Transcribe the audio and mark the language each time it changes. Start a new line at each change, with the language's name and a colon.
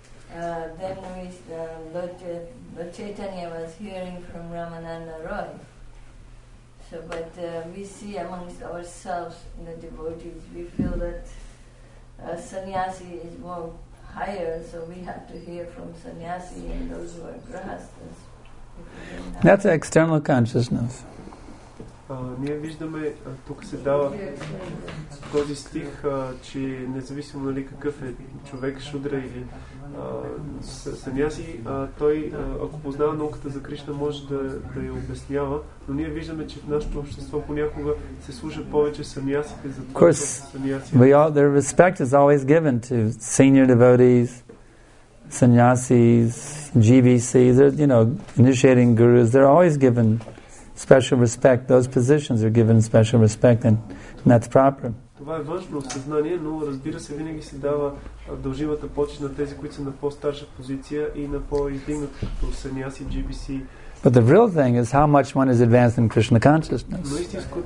English: Then Lord Chaitanya was hearing from Ramananda Roy. So, but we see amongst ourselves, in the devotees, we feel that sannyasi is more higher, so we have to hear from sannyasi and those who are grahasthas. That's external consciousness.
Bulgarian: Ние виждаме, тук се дава този стих, че независимо нали какъв е човек, шудра или саняси, той, ако познава науката за Кришна, може да я обяснява, но ние виждаме, че в нашето общество понякога се служат повече санясите за това,
English: course,
Bulgarian: саняси.
English: We all, their respect is always given to senior devotees. Sannyasis, GVCs, you know, initiating gurus, they're always given special respect. Those positions are given special respect, and that's proper.
Bulgarian: Това е важно съзнание, но разбира се, винаги се дава дължимата почет на тези, които са на по-старша позиция и на по-издигнатото саняси, GVC.
English: But the real thing is how much one is advanced in Krishna consciousness.